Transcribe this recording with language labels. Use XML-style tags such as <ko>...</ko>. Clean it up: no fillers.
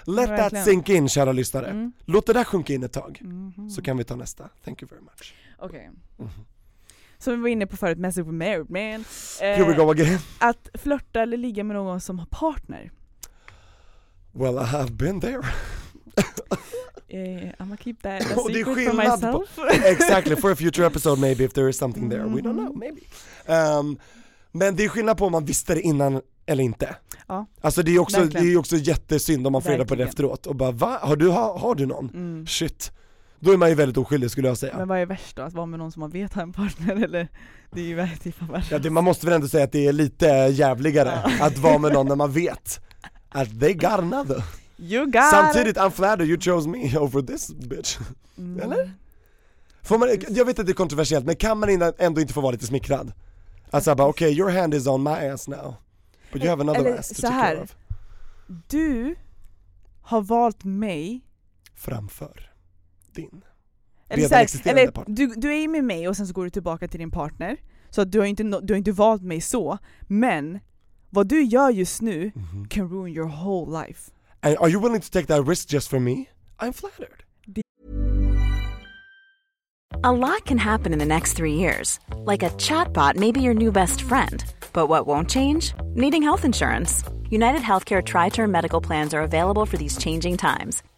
<en>Let that sink in,</en> <sv>kära lyssnare. Mm. Låt det där sjunka in ett tag. Mm-hmm. Så kan vi ta nästa.</sv> <en>Thank you very much.</en> <sv>Okej. Okay. Mm-hmm. Som vi var inne på förut,</sv> <en>message with married man. Here we go again.</en> <sv>Att flirta eller ligga med någon som har partner.</sv> <en>Well, I have been there. I'm gonna keep that a secret for myself. Exactly, for a future episode maybe if there is something there. Mm-hmm. We don't know, maybe.</en> <sv>Men det är skillnad på om man visste det innan eller inte. Ja. Alltså det är också verkligen. Det är också jättesynd om man får reda på det efteråt och bara, va? Har du någon? Mm. Shit. Då är man ju väldigt oskyldig, skulle jag säga. Men vad är värst då, att vara med någon som man vet har en partner, eller det är ju väldigt typ av värst. Ja, man måste väl ändå säga att det är lite jävligare att vara med någon när man vet att</sv> <en>they got another. You got.</en> <sv>Samtidigt</sv> <en>I'm flattered you chose me over this bitch.</en> <sv>Mm. Eller? Får man, jag vet att det är kontroversiellt, men kan man ändå inte få vara lite smickrad? Alltså bara, okej,</sv> <en>your hand is on my ass now. But you have another</en> <sv>eller,</sv> <en>ass to take care of.</en> <sv>Du har valt mig framför din. Eller så här, eller du är med mig och sen så går du tillbaka till din partner. Så att du har inte valt mig så. Men vad du gör just nu</sv> <en>can ruin your whole life. And are you willing to take that risk just for me? I'm flattered. A lot can happen in the next 3 years. Like a chatbot may be your new best friend. But what won't change? Needing health insurance. UnitedHealthcare Tri-Term Medical Plans are available for these changing times.</en>